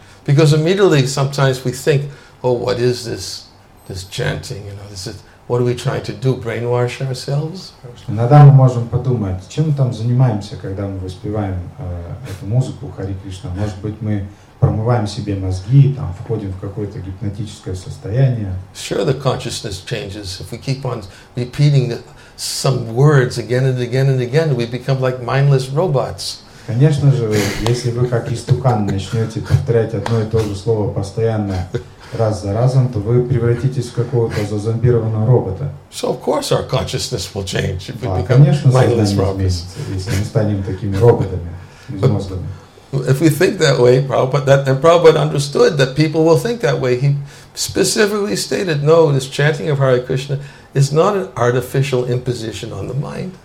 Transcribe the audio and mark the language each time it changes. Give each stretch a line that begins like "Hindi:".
English: Because immediately sometimes we think, oh, what is this chanting? You know, this is, what are we trying to do? Brainwash ourselves?
Russian: Иногда мы можем подумать, чем мы там занимаемся, когда мы воспеваем эту музыку Хари Кришна? Может быть, мы промываем себе мозги, там входим в какое-то гипнотическое состояние.
English: Sure, the consciousness changes. If we keep on repeating some words again and again and again, we become like mindless robots.
Russian: Конечно же, если вы как истукан начнете повторять одно и то же слово постоянно, раз за разом, то вы превратитесь в какого-то зазомбированного робота.
English: So of course our consciousness will change. If we become
Russian: конечно,
English: mindless robots.
Russian: Изменится, если мы станем такими роботами, безмозглыми.
English: If we think that way, Prabhupada understood that people will think that way. He specifically stated, no, this chanting of Hare Krishna is not an artificial imposition on the mind.